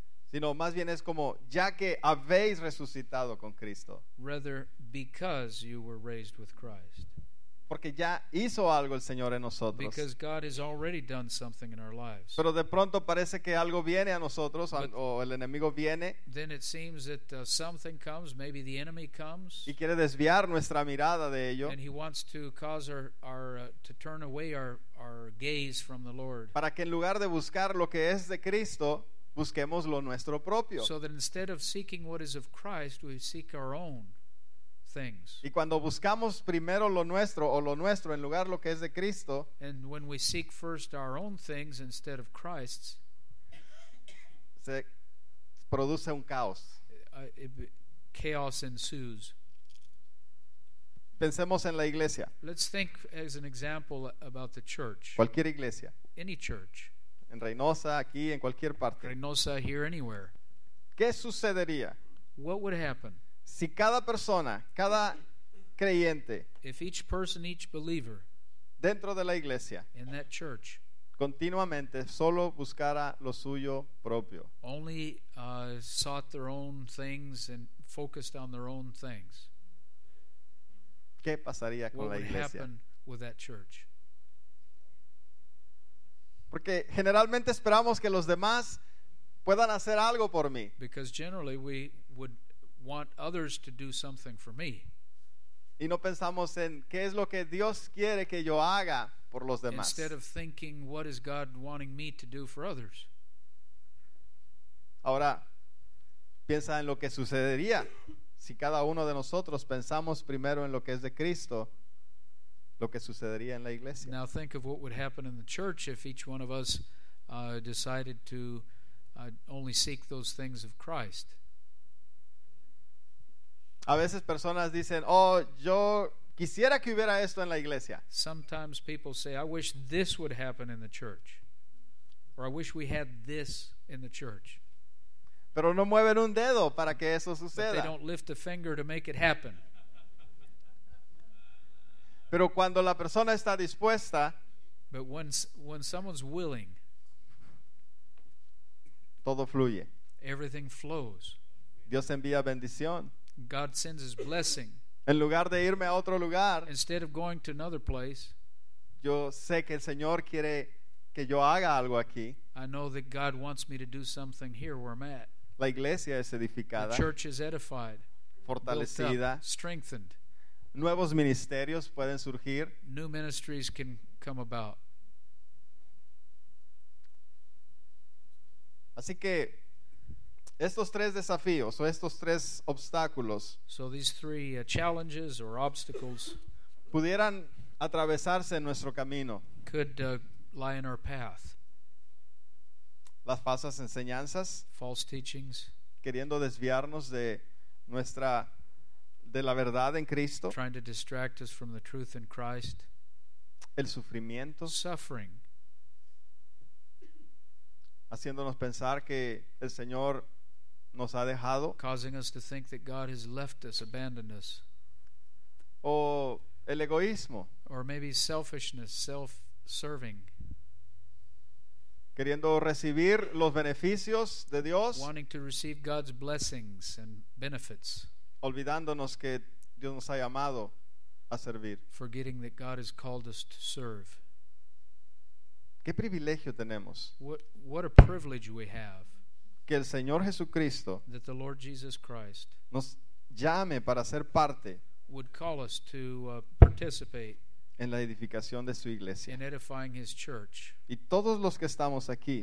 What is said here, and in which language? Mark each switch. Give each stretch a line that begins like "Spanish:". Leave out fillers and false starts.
Spanish: sino más bien es como ya que habéis resucitado con Cristo.
English: Rather, because you were raised with Christ.
Spanish: Porque ya hizo algo el Señor en nosotros.
English: Because God has already done something in our lives.
Spanish: Pero de pronto parece que algo viene a nosotros, o el enemigo viene.
English: Then it seems that something comes, maybe the enemy comes.
Spanish: Y quiere desviar nuestra mirada de ello.
English: And he wants to cause to turn away our gaze from the Lord.
Spanish: Para que en lugar de buscar lo que es de Cristo, busquemos lo nuestro propio.
English: So that instead of seeking what is of Christ, we seek our own.
Spanish: Y cuando buscamos primero lo nuestro o lo nuestro en lugar lo que es de Cristo,
English: and when we seek first our own things instead of Christ's,
Spanish: se produce un caos.
English: Chaos ensues.
Spanish: Pensemos en la iglesia.
English: Let's think as an example about the church.
Spanish: Cualquier iglesia.
English: Any church.
Spanish: En Reynosa, aquí, en cualquier parte.
English: Reynosa, here, anywhere.
Spanish: ¿Qué sucedería?
English: What would happen?
Spanish: Si cada persona, cada creyente,
English: if each person, each believer,
Spanish: dentro de la iglesia,
English: in that church,
Spanish: continuamente solo buscara lo suyo propio,
English: only sought their own things and focused on their own things,
Spanish: ¿qué pasaría con la iglesia?
English: What would happen with that church?
Spanish: Porque generalmente esperamos que los demás puedan hacer algo por mí.
English: Because generally we would want others to do something for me.
Spanish: Y no pensamos en qué es lo que Dios quiere que yo haga por los demás.
English: Instead of thinking, what is God wanting me to do for others?
Spanish: Ahora, piensa en lo que sucedería si cada uno de nosotros pensamos primero en lo que es de Cristo, lo que sucedería en la iglesia.
English: Now think of what would happen in the church if each one of us decided to only seek those things of Christ.
Spanish: A veces personas dicen, oh, yo quisiera que hubiera esto en la iglesia.
English: Sometimes people say, I wish this would happen in the church. Or I wish we had this in the church.
Spanish: Pero no mueven un dedo para que eso suceda.
English: But they don't lift a finger to make it happen.
Spanish: Pero cuando la persona está dispuesta,
English: but when someone's willing,
Spanish: todo fluye.
English: Everything flows.
Spanish: Dios envía bendición.
English: God sends his blessing.
Spanish: En lugar de irme a otro lugar,
English: instead of going to another place,
Spanish: yo sé que el Señor quiere que yo haga algo aquí.
English: I know that God wants me to do something here where I'm at.
Spanish: La iglesia es edificada.
English: The church is edified.
Spanish: Fortalecida.
English: Built up, strengthened.
Spanish: Nuevos ministerios pueden surgir.
English: New ministries can come about.
Spanish: Así que estos tres desafíos o estos tres obstáculos,
English: so these three challenges or obstacles,
Spanish: pudieran atravesarse en nuestro camino.
English: Could lie in our path.
Spanish: Las falsas enseñanzas,
English: false teachings,
Spanish: queriendo desviarnos de nuestra de la verdad en Cristo.
English: Trying to distract us from the truth in Christ.
Spanish: El sufrimiento,
English: suffering,
Spanish: haciéndonos pensar que el Señor nos ha dejado,
English: causing us to think that God has left us, abandoned us.
Spanish: o el egoísmo,
English: or maybe selfishness, self-serving,
Spanish: queriendo recibir los beneficios de Dios,
English: wanting to receive God's blessings and benefits,
Spanish: olvidándonos que Dios nos ha llamado a servir,
English: forgetting that God has called us to serve.
Spanish: ¿Qué privilegio tenemos?
English: What a privilege we have.
Spanish: Que el Señor Jesucristo,
English: that the Lord Jesus Christ,
Spanish: nos llame para ser parte,
English: would call us to participate,
Spanish: en la edificación de su iglesia,
English: in edifying his church,
Spanish: y todos los que estamos aquí,